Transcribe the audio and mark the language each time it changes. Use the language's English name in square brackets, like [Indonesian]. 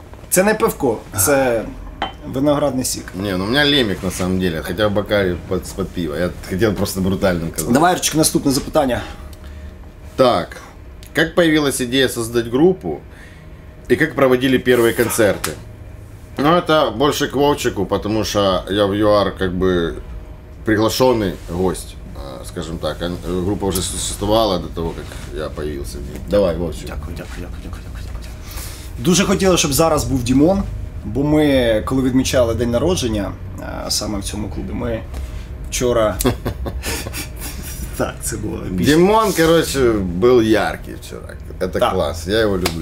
[Ukrainian] Це не пивко, це виноградний сік. Ні, ну у мене лемік [Russian] на самом деле, [Ukrainian] хоча бокалі з-під пива. Я хотів просто брутально казати. Давай, Ірчик, наступне запитання. Так, як з'явилася ідея створити групу і як проводили перші концерти? [Russian] Ну, это больше к Вовчику, потому что я в ЮАР как бы приглашенный гость, скажем так. Группа уже существовала до того, как я появился в ней. Давай, Вовчик. [Ukrainian] Дякую. Дуже хотіло, щоб зараз був Дімон, бо ми, коли відмічали день народження, саме в цьому клубі, ми вчора... Так, це було. Дімон, короче, був яркий вчора. [Russian] Это [Ukrainian] клас, я його люблю.